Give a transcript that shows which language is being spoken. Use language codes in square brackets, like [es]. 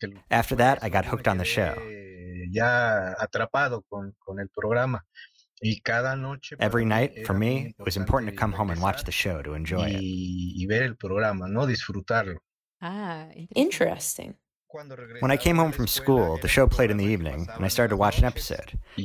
[en] After that, I got hooked on the show. [es] Ya atrapado con el programa. Y cada noche [en] Every night, for me, it was important to come home and watch the show to enjoy it. [es] Y ver el programa, ¿no? Disfrutarlo. [en] Ah, interesting. When I came home from school, the show played in the evening, and I started to watch an episode.